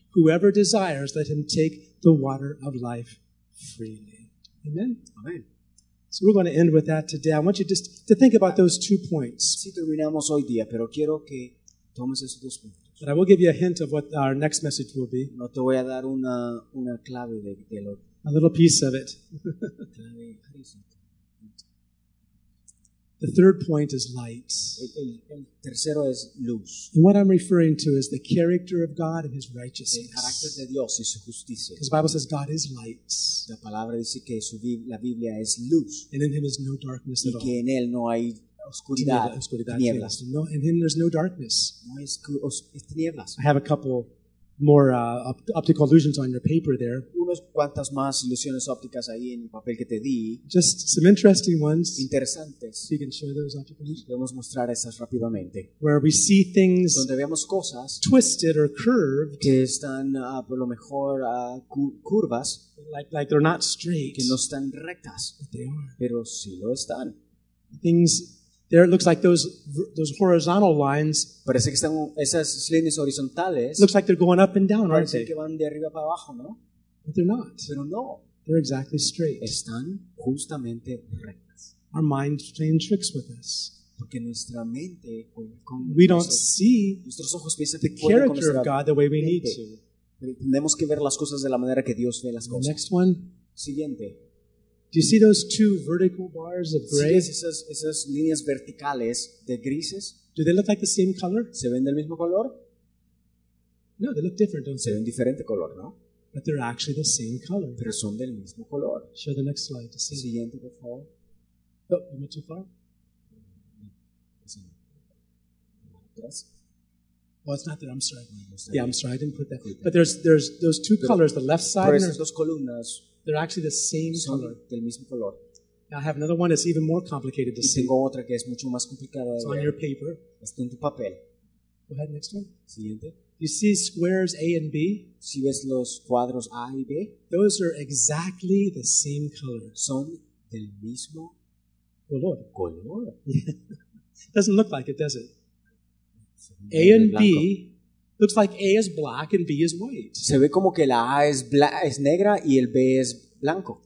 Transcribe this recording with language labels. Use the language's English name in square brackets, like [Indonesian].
[English] Whoever desires, let him take the water of life freely. Amen. Amen. So we're going to end with that today. I want you just to think about those two points. [Spanish] Sí, terminamos hoy día, pero quiero que tomes esos dos puntos. [English] But I will give you a hint of what our next message will be. [Spanish] No te voy a dar una clave de lo... [English] A little piece of it. The third point is light. [Spanish] El tercero es luz. [English] And what I'm referring to is the character of God and His righteousness. [Spanish] El carácter de Dios y su justicia. [English] Because the Bible says God is light. [Spanish] La palabra dice que la Biblia es luz. [English] And in Him is no darkness [Spanish] y [English] at all. [Spanish] Y que en Él no hay oscuridad, tinieblas. [English] No, in Him there's no darkness. [Spanish] No hay tinieblas. [English] I have a couple more optical illusions on your paper there. [Spanish] Unas cuantas más ilusiones ópticas ahí en el papel que te di. [English] Just some interesting ones. [Spanish] Interesantes. [English] So you can share those optical illusions. [Spanish] Podemos mostrar esas rápidamente. [English] Where we see things [Spanish] donde vemos cosas [English] twisted or curved [Spanish] que están por lo mejor curvas [English] like they're not straight [Spanish] que no están rectas [English] but they are. [Spanish] Pero sí lo están. [English] Things there it looks like those horizontal lines. [Spanish] Parece que están esas líneas horizontales. [English] Looks like they're going up and down, aren't they? [Spanish] Que van de arriba para abajo, ¿no? [English] But they're not. [Spanish] Pero no. [English] They're exactly straight. [Spanish] Están justamente rectas. [English] Our mind's playing tricks with us. [Spanish] Porque nuestra mente [English] we don't see [Spanish] nuestros ojos piensan [English] the character of God the way we need to. [Spanish] Tenemos que ver las cosas de la manera que Dios ve las cosas. [English] Next one. [Spanish] Siguiente. [English] Do you see those two vertical bars of gray? [Spanish] ¿Sí, esas líneas verticales de grises? [English] Do they look like the same color? [Spanish] ¿Se ven del mismo color? [English] No, they look different, don't [Spanish] ¿Se [English] they? [Spanish] Se ven diferente color, ¿no? [English] But they're actually the same color. [Spanish] Pero son del mismo color. [English] Show the next slide. See. [Spanish] Siguiente, por favor. [English] No, oh, am I too far? Yes. Well, it's not there. I'm sorry. Yeah, I'm sorry. I didn't put that. But there's those two colors, the left side and those columnas. They're actually the same color. [Spanish] Del mismo color. [English] Now I have another one that's even more complicated to [Spanish] y tengo [English] see. [Spanish] Otra que es mucho más complicada [English] it's on your paper. [Spanish] En tu papel. [English] Go ahead, next one. [Spanish] Siguiente. [English] You see squares A and B? [Spanish] Si ves los cuadros A y B? [English] Those are exactly the same color. [Spanish] Son del mismo color. Color. [English] Doesn't look like it, does it? A and B, Looks like A is black and B is white. [Spanish] Se ve como que la A es negra y el B es blanco.